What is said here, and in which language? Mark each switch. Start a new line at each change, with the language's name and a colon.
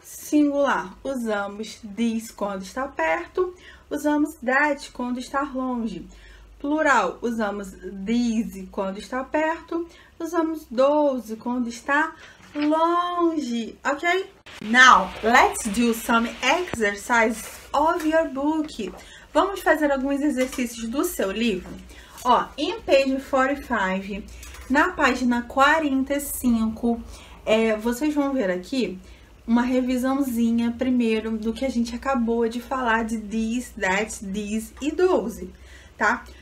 Portuguese: Singular, usamos this quando está perto. Usamos that quando está longe. Plural, usamos these quando está perto. Usamos those quando está longe, ok?
English: Now, let's do some exercises of your book.
Portuguese: Vamos fazer alguns exercícios do seu livro? Ó, em
English: page 45,
Portuguese: na página 45, vocês vão ver aqui uma revisãozinha primeiro do que a gente acabou de falar de this, that, this e those, tá?